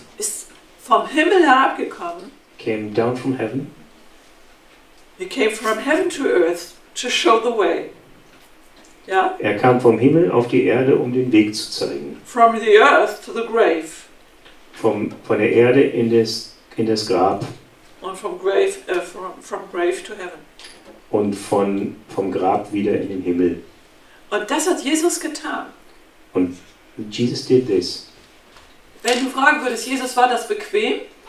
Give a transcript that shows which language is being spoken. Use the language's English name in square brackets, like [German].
[German] ist vom Himmel herabgekommen. [English] Came down from heaven. He came from heaven to earth to show the way. [German] Ja? Er kam vom Himmel auf die Erde, um den Weg zu zeigen. [English] From the earth to the grave. [German] Von der Erde in das Grab. [English] And from grave from grave to heaven. [German] Und vom Grab wieder in den Himmel. Und das hat Jesus getan. [English] Und Jesus did this. [German] Wenn du fragen würdest, Jesus, war das bequem?